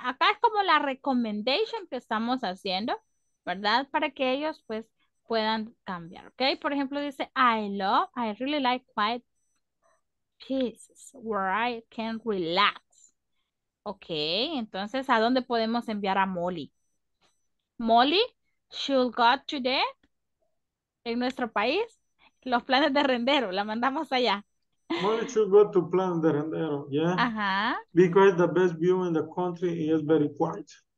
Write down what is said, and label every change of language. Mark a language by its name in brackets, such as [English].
[Spanish] Acá es como la recommendation que estamos haciendo, ¿verdad? Para que ellos pues puedan cambiar, ¿ok? Por ejemplo, dice, [English] I really like quiet places where I can relax. [Spanish] ¿Ok? Entonces, ¿a dónde podemos enviar a Molly? [English] Molly should go to the... [Spanish] En nuestro país, los planes de rendero, la mandamos allá. [English] Molly should go to plan de rendero, yeah. Ajá. Because the best view in the country is very quiet.